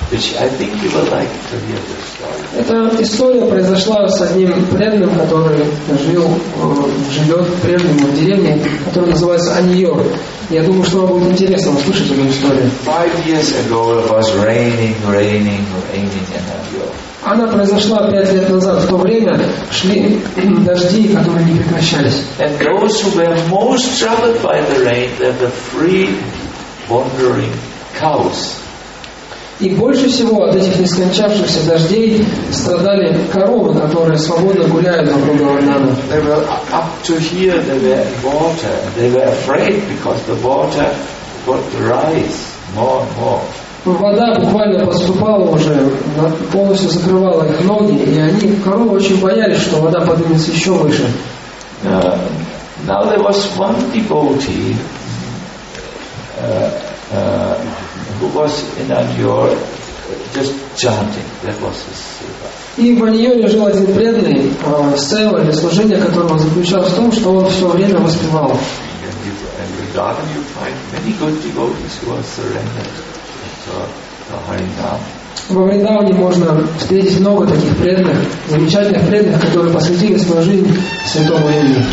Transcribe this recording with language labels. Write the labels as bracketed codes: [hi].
[en] Which I think you would like to hear this story. [ru] Эта история произошла с одним преданным, который живет в преданном деревне, который называется Аньор. Я думаю, что вам будет интересно услышать эту историю. [en] 5 years ago it was raining, raining, raining in Aniyor. [ru] Она произошла 5 лет назад, в то время шли дожди, которые не прекращались. [en] And those who were most troubled by the rain were the free wandering cows. [ru] И больше всего от этих нескончавшихся дождей страдали коровы, которые свободно гуляют вокруг Иордана. [en] They were up to here, they were in water. They were afraid because the water would rise more and more. [ru] Вода буквально поступала уже, полностью закрывала их ноги, и они, коровы, очень боялись, что вода поднимется еще выше. [en] Now there was one devotee who was in Anjur just chanting. That was his seva. [ru] И в Аньоре жил один преданный, сева, для служения которого заключалось в том, что он все время воспевал. [en] And in Vrindavan you find many good devotees who are surrendered. [ru] Во Вриндаване можно встретить много таких преданных, замечательных преданных, которые посвятили свою жизнь святому имени.